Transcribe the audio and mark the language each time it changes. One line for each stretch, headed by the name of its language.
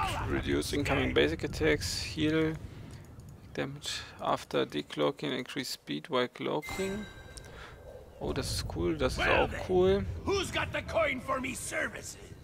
English: Reduce incoming basic attacks, heal damage after decloaking, increase speed while cloaking.
German: Oh, das ist cool, das ist auch cool.
English: Who's got the coin for me services?